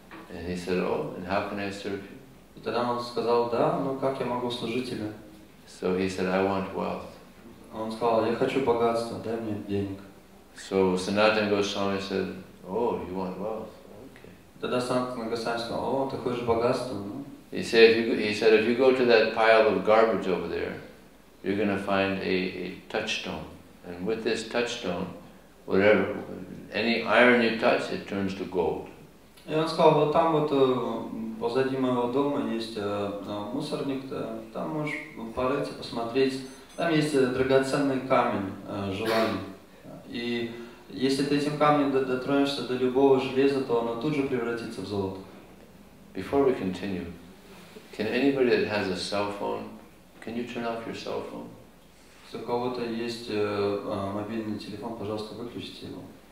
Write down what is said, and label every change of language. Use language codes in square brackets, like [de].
[en] And he said, "Oh, and how can I serve you?" [ru] И тогда он сказал, да, но как я могу служить тебе? [en] So he said, "I want wealth." [ru] Он сказал, я хочу богатство, дай мне денег. [en] So Sanatana Goswami said, "Oh, you want wealth? Okay." [ru] Тогда Sanatana Goswami сказал, о, ты хочешь богатство? [en] He said, "If you go to that pile of garbage over there, you're going to find a touchstone, and with this touchstone, whatever any iron you touch, it turns to gold." [ru] И он сказал, вот там вот позади моего дома есть мусорник, там можешь порыться, посмотреть. Там есть драгоценный камень желаний. И если ты этим камнем дотронешься до любого железа, то оно тут же превратится в золото. [en] Before we continue, can anybody that has a cell phone, can you turn off your cell phone? [ru] Если у кого-то есть мобильный телефон, пожалуйста, выключите его.